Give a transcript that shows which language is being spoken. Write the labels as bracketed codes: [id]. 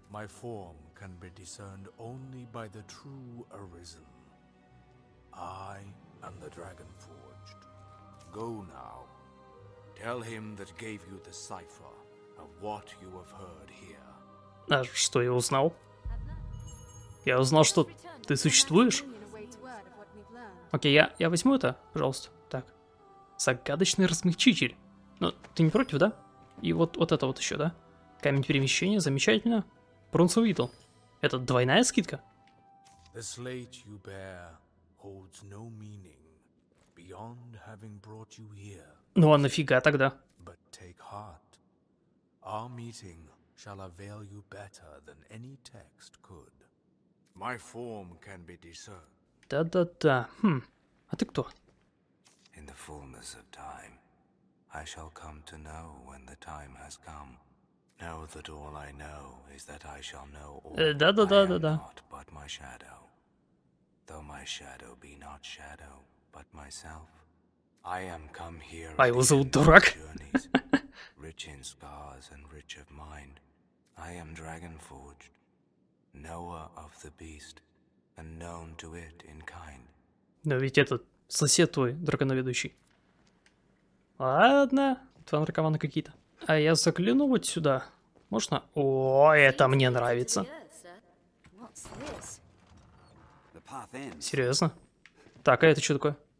[en] My form can be discerned only by the true arisen. I am the dragon forged. Go now. Tell him that gave you the cipher of what you have heard here. [ru] А что я узнал? Я узнал, что ты существуешь? Окей, я возьму это, пожалуйста. Так. Загадочный размягчитель. Ну, ты не против, да? И вот это вот еще, да? Камень перемещения, замечательно. Бронзовый идол. Это двойная скидка? [en] The slate you bear holds no meaning beyond having brought you here. [ru] Ну а нафига тогда? [en] But take heart. Our meeting shall avail you better than any text could. My form can be discerned. [ru] Да-да-да. Хм. А ты кто? [en] In the fullness of time, I shall come to know when the time has come. Know that all I know is that I shall know all. [ru] Да. [en] Not but my shadow. Though my shadow be not shadow, but myself. I am come here. [ru] А его зовут дурак. [en] Rich in scars and rich of mind. I am dragon forged, knower of the beast, and known to it in kind. [ru] Но ведь этот сосед твой, драконоведущий. Ладно, твои наркоманы какие-то. А я загляну вот сюда. Можно? О, это мне нравится. Серьезно? Так, а это что такое?